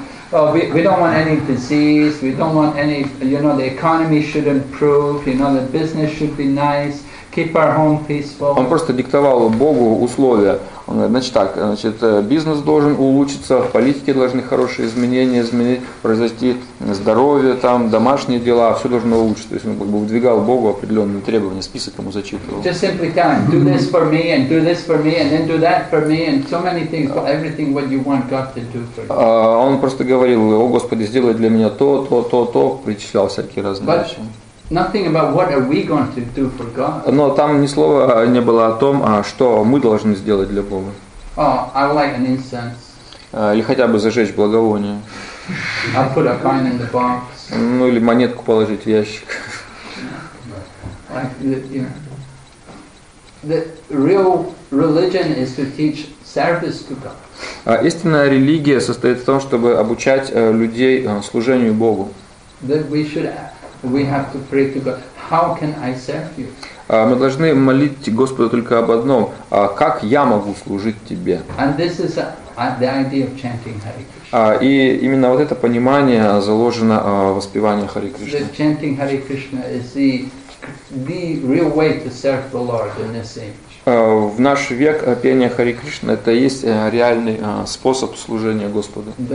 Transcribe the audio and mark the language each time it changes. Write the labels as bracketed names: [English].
[English] We don't want any disease, we don't want any, you know, the economy should improve, you know, the business should be nice. Keep our home peaceful. [Russian] Он просто диктовал Богу условия. Он говорит, значит так, значит, бизнес должен улучшиться, в политике должны хорошие изменения, произойти здоровье, там, домашние дела, все должно улучшиться. То есть он как бы выдвигал Богу определенные требования, список ему зачитывал. [English] Just simply tell him, do this for me, and do this for me, and then do that for me, and so many things, everything what you want God to do for you. [Russian] Он просто говорил, о Господи, сделай для меня то, то, то, то, причислял всякие разные вещи. [English] Nothing about what are we going to do for God. [Russian] Но там ни слова не было о том, что мы должны сделать для Бога. [English] Oh, I light an incense. [Russian] Или хотя бы зажечь благовоние. [English] I put a coin in the box. [Russian] Ну или монетку положить в ящик. [English] The real religion is to teach service to God. [Russian] Истинная религия состоит в том, чтобы обучать людей служению Богу. [English] That we should. We have to pray to God. How can I serve you? [Russian] Мы должны молить Господа только об одном. Как я могу служить тебе? [English] And this is the idea of chanting Hare Krishna. [Russian] И именно вот это понимание заложено в воспевании Харе Кришны. [English] That chanting Hare Krishna is the real way to serve the Lord in this age. [Russian] В наш век пение Харе Кришна это и есть реальный способ служения Господу.